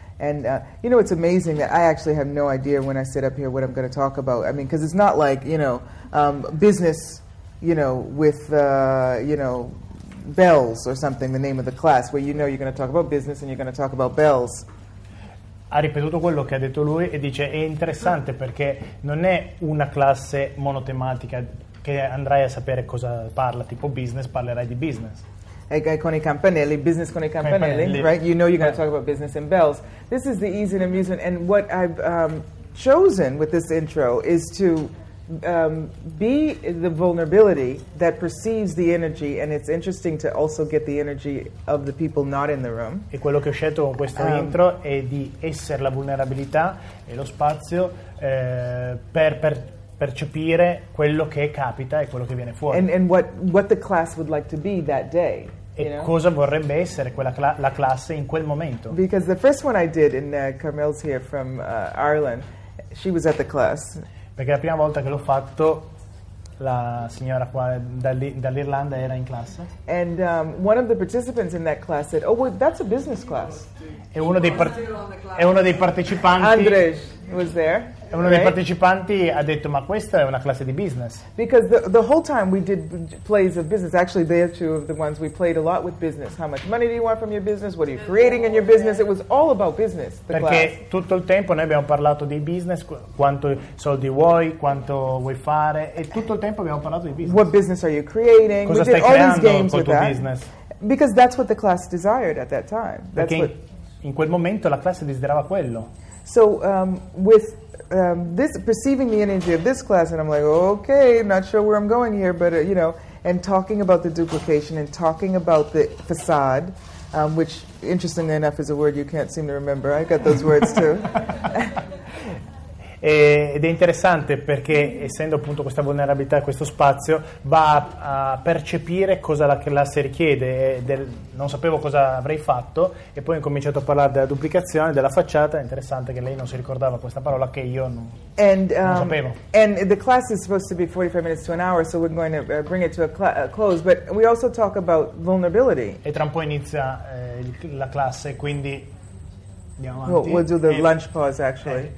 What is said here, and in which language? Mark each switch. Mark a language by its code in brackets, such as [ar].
[en] And you know, it's amazing that I actually have no idea when I sit up here what I'm going to talk about. I mean, because it's not like, you know, business, you know, with you know, bells or something, the name of the class, where you know you're going to talk about business and you're going to talk about bells. [it] Ha ripetuto quello che ha detto lui e dice è interessante perché non è una classe monotematica che andrai a sapere cosa parla, tipo business, parlerai di business. E con i campanelli, business con i campanelli, [en] right? You know you're going to talk about business and bells. This is the ease and amusement, and what I've chosen with this intro is to be the vulnerability that perceives the energy, and it's interesting to also get the energy of the people not in the room. [it] E quello che ho scelto con questo intro è di essere la vulnerabilità e lo spazio per percepire quello che capita e quello che viene fuori. [en] And what the class would like to be that day. [it] E cosa vorrebbe essere quella la classe in quel momento? [en] Because the first one I did in Carmel's here from Ireland, she was at the class. [it] Perché la prima volta che l'ho fatto, la signora qua dall'Irlanda era in classe. [en] And one of the participants in that class said, "Oh, well, that's a business class." [it] E uno dei partecipanti. [en] Andres was there. [it] E uno dei partecipanti ha detto, "Ma questa è una classe di business." [en] Because the whole time we did plays of business. Actually, they are two of the ones we played a lot with business. How much money do you want from your business? What are you creating in your business? It was all about business. The [it] Perché [en] class. [it] Tutto il tempo noi abbiamo parlato di business, quanto soldi vuoi, quanto vuoi fare, e tutto il tempo abbiamo parlato di business. [en] What business are you creating? [it] Cosa stai creando con il tuo business? [en] Because that's what the class desired at that time. [it] Perché in quel momento la classe desiderava quello. [en] So with this perceiving the energy of this class, and I'm like, okay, not sure where I'm going here, but you know, and talking about the duplication and talking about the facade, which interestingly enough is a word you can't seem to remember. I got those words too. [it] Ed è interessante perché, essendo appunto questa vulnerabilità, questo spazio, va a percepire cosa la classe richiede. Non sapevo cosa avrei fatto, e poi ho cominciato a parlare della duplicazione, della facciata. È interessante che lei non si ricordava questa parola, che io non sapevo. [en] And the class is supposed to be 45 minutes to an hour, so we're going to bring it to a close, but we also talk about vulnerability. [it] E tra un po' inizia la classe, quindi... [en] We'll do the lunch pause, actually.